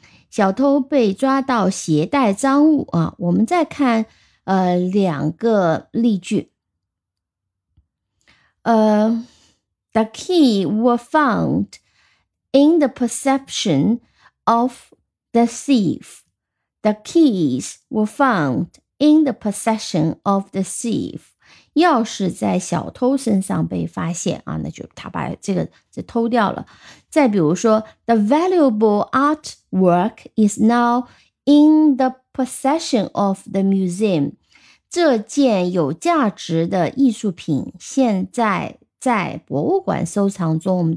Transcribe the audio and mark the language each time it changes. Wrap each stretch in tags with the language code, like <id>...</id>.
<zh>小偷被抓到携带赃物啊。我们再看两个例句。</zh> <en>The key were found in the possession of the thief. The keys were found in the possession of the thief.</en> <zh>钥匙在小偷身上被发现啊，那就他把这偷掉了。再比如说</zh> <en>,The valuable artwork is now in the possession of the museum.</en> <zh>这件有价值的艺术品现在在博物馆收藏中。</zh>